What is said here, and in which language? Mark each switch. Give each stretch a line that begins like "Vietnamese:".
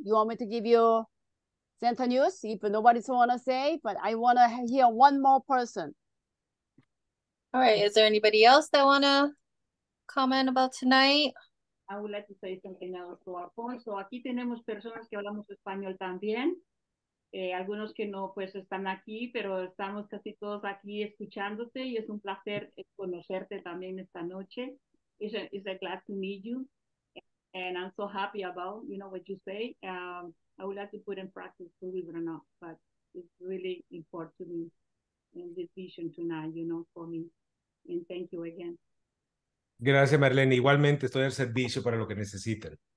English: You want me to give you Santa news? If nobody want to say, but I want to hear one more person. All right. Is there anybody else that want to comment about tonight? I would like to say something else to Alfonso.
Spanish: Aquí tenemos personas que hablamos español también. Algunos que no, pues, están aquí, pero estamos casi todos aquí escuchándote y es un placer conocerte también esta noche.
English: It's a glad to meet you. And I'm so happy about, you know, what you say. I would like to put in practice, believe it or not, but it's really important to me in this vision tonight, you know, for me. And thank you again.
Spanish: Gracias, Marlene. Igualmente, estoy al servicio para lo que necesiten.